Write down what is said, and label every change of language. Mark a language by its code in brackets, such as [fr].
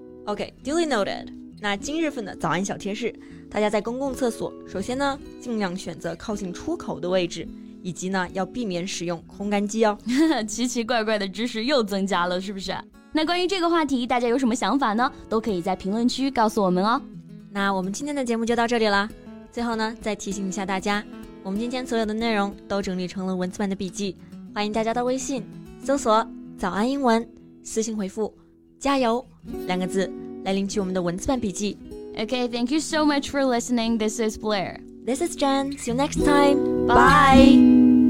[en] Okay, duly noted. [zh] 那今日份的早安小贴士，大家在公共厕所，首先呢，尽量选择靠近出口的位置，以及呢，要避免使用烘干机哦。奇奇怪怪的知识又增加了，是不是？那关于这个话题，大家有什么想法呢？都可以在评论区告诉我们哦。那我们今天的节目就到这里了。最后呢，再提醒一下大家，我们今天所有的内容都整理成了文字版的笔记，欢迎大家到微信搜索“早安英文”，私信回复“加油”两个字来领取我们的文字版笔记。 [en] Okay, thank you so much for listening. This is Blair. This is Jen. See you next time. Bye. Bye.